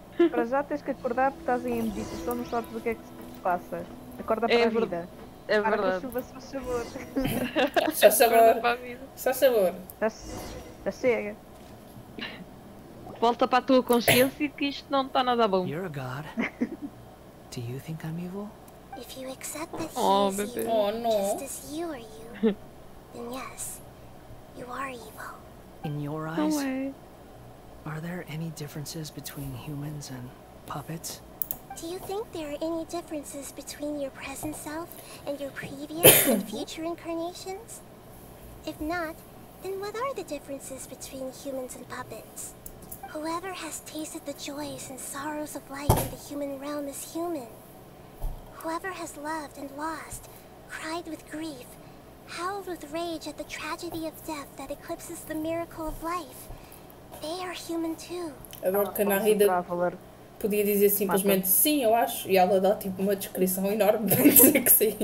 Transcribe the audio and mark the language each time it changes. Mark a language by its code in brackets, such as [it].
[pt] Para já tens que acordar porque estás em indecisão, não sabes o que é que se passa. Acorda para a vida. É verdade. Para que a chuva, só sabor. Só sabor. Só sabor. Está cega. Volta para a tua consciência que isto não está nada bom. [en] You're a god. Do you think I'm evil? If you accept that he is evil, just as you are you, then yes, you are evil. In your eyes, no way. Are there any differences between humans and puppets? Do you think there are any differences between your present self and your previous and future incarnations? If not, then what are the differences between humans and puppets? Whoever has tasted the joys and sorrows of life in the human realm is human. Whoever has loved and lost, cried with grief, howled with rage at the tragedy of death that eclipses the miracle of life, they are human too. [pt] Adoro que a Narida podia dizer simplesmente sim, eu acho, e ela dá tipo uma descrição enorme para dizer que sim.